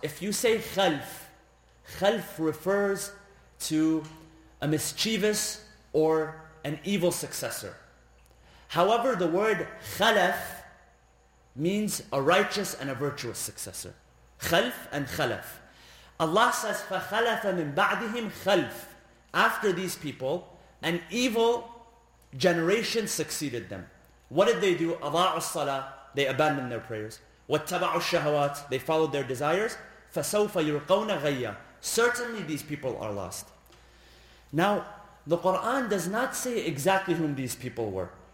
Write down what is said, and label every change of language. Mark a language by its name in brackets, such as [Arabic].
[English] If you say خَلْف, خَلْف refers to a mischievous or an evil successor. However, the word خَلَف means a righteous and a virtuous successor. [Arabic] خَلْف and خَلَف. [English] Allah says, [Arabic] فَخَلَفَ مِنْ بَعْدِهِمْ خَلْف. [English] After these people, an evil generation succeeded them. What did they do? [Arabic] أَضَاعُوا الصَّلَاةِ. [English] They abandoned their prayers. [Arabic] وَاتَّبَعُوا الشَّهَوَاتِ. [English] They followed their desires. [Arabic] فَسَوْفَ يُلْقَوْنَ غَيَّا. [English] Certainly these people are lost. Now, the Quran does not say exactly whom these people were.